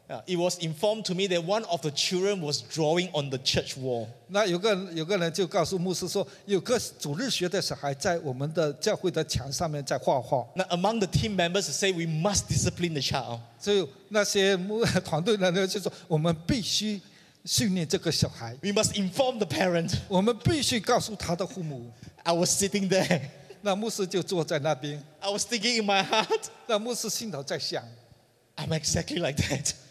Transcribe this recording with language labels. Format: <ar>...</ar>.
<en>It was informed to me that one of the children was drawing on the church wall.</en> <zh>那有个人就告诉牧师说，有个主日学的小孩在我们的教会的墙上面在画画。</zh> <en>Now among the team members say we must discipline the child.</en> <zh>所以那些团队的人就说，我们必须训练这个小孩。</zh> <en>We must inform the parent.</en> <zh>我们必须告诉他的父母。</zh> <en>I was sitting there.</en> <zh>那牧师就坐在那边。</zh> <en>I was thinking in my heart.</en> <zh>那牧师心头在想。</zh> <en>I'm exactly like that.</en>